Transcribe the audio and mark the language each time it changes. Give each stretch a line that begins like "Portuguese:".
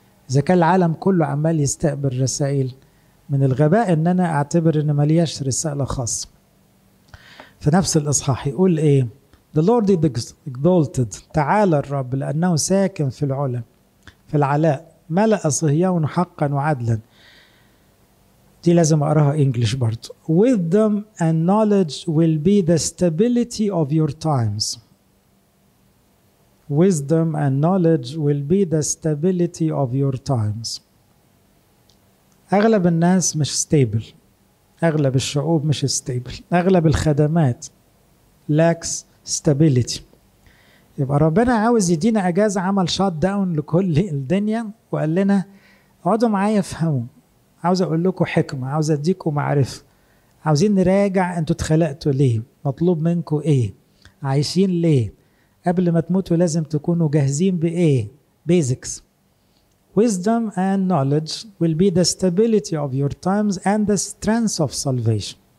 Arabic: اذا كان العالم كله عمال يستقبل رسائل، من الغباء ان انا اعتبر ان ملياش رسالة خاصة. في نفس الاصحاح يقول ايه؟
English: The Lord is exalted،
Arabic: تعالى الرب لانه ساكن في العلا، في العلاء، ملأ صهيون حقا وعدلا. دي لازم اقراها انجلش برضو.
English: Wisdom and knowledge will be the stability of your times. Wisdom and knowledge will be the stability of your times.
Arabic: اغلب الناس مش ستيبل، اغلب الشعوب مش ستيبل، اغلب الخدمات
English: lacks stability.
Arabic: يبقى ربنا عاوز يدينا اجازة، عمل شوت داون لكل الدنيا وقال لنا اقعدوا معايا افهموا، عاوز اقول لكم حكمة، عاوز اديكم معرفة، عاوزين نراجع انتوا اتخلقتوا ليه، مطلوب منكم ايه، عايشين ليه، قبل ما تموتوا لازم تكونوا جاهزين بايه، basics.
English: Wisdom and knowledge will be the stability of your times and the strength of salvation.